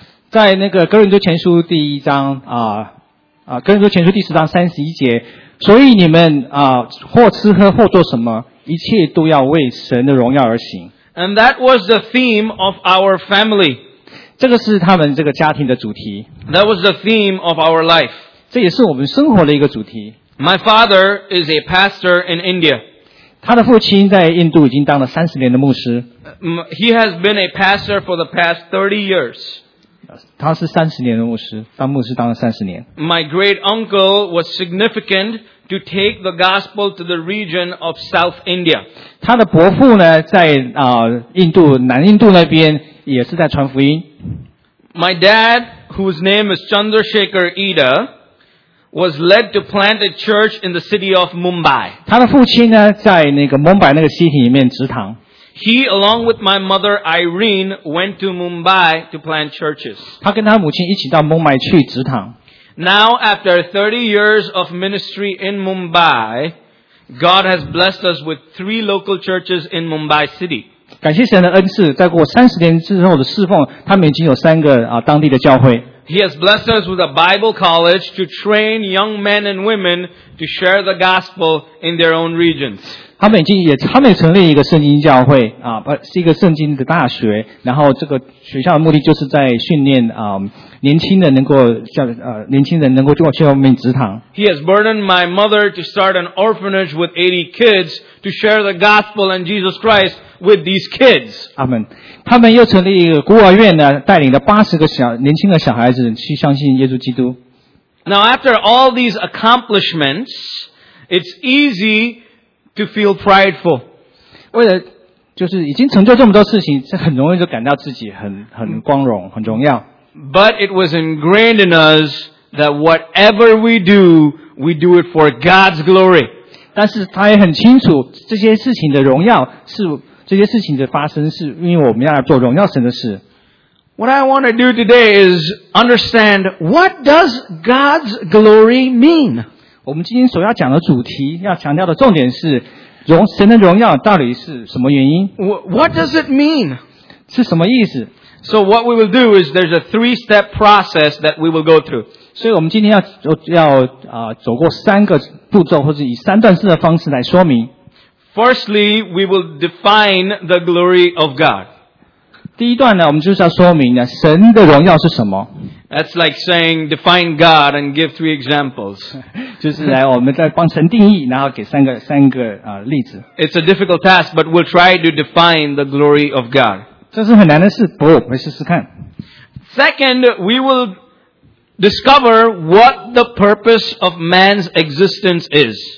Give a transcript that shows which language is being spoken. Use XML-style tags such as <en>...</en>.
<zh>在那个哥林多前书第一章哥林多前书第十章三十一节，所以你们或吃喝或做什么，一切都要为神的荣耀而行。</zh> <en>And that was the theme of our family.</en> <zh>这个是他们这个家庭的主题。</zh> <en>That was the theme of our life.</en> <zh>这也是我们生活的一个主题。</zh> <en>My father is a pastor in India.</en> <zh>他的父亲在印度已经当了30年的牧师。</zh> <en>He has been a pastor for the past 30 years.</en> <zh>他是30年的牧师，当牧师当了30年。</zh> <en>My great uncle was significant to take the gospel to the region of South India.</en> <zh>他的伯父呢，在印度，南印度那边也是在传福音。</zh> <en>My dad, whose name is Chandrasekhar Ida,was led to plant a church in the city of Mumbai.</en> <zh>他的父亲呢，在那个蒙白那个西体里面执堂。</zh> <en>He, along with my mother Irene, went to Mumbai to plant churches.</en> <zh>他跟他母亲一起到蒙白去执堂。</zh> <en>Now, after 30 years of ministry in Mumbai, God has blessed us with 3 local churches in Mumbai city.</en> <zh>感谢神的恩赐，在过30年之后的侍奉，他们已经有三个当地的教会。</zh> <en>He has blessed us with a Bible college to train young men and women to share the gospel in their own regions.</en> <zh>他们成立一个圣经教会是一个圣经的大学，然后这个学校的目的就是在训练年轻人能够去外面执堂。</zh> <en>He has burdened my mother to start an orphanage with 80 kids to share the gospel and Jesus Christ with these kids.</en> <zh>阿们。他们又成立一个孤儿院呢，带领了80个年轻的小孩子去相信耶稣基督。</zh> <en>Now after all these accomplishments, it's easy to feel prideful.</en> <zh>为了就是已经成就这么多事情，是很容易就感到自己很光荣，很荣耀。</zh> <en>But it was ingrained in us that whatever we do it for God's glory.</en> <zh>但是他也很清楚这些事情的荣耀是这些事情的发生是因为我们要来做荣耀神的事。</zh> <en>What I want to do today is understand what does God's glory mean?</en> <zh>我们今天所要讲的主题，要强调的重点是，神的荣耀到底是什么原因？</zh> <en>What does it mean?</en> <zh>是什么意思？</zh> <en>So what we will do is there's a three-step process that we will go through.</en> <zh>所以我们今天要走过三个步骤，或者以三段式的方式来说明。</zh> <en>Firstly, we will define the glory of God.</en> <zh>第一段呢，我们就是要说明呢，神的荣耀是什么。</zh> <en>That's like saying, define God and give three examples.</en> <zh>就是来，我们再帮神定义，然后给三个例子。</zh> <en>It's a difficult task, but we'll try to define the glory of God.</en> <zh>这是很难的事，不过我们试试看。</zh> <en>Second, we will discover what the purpose of man's existence is.</en>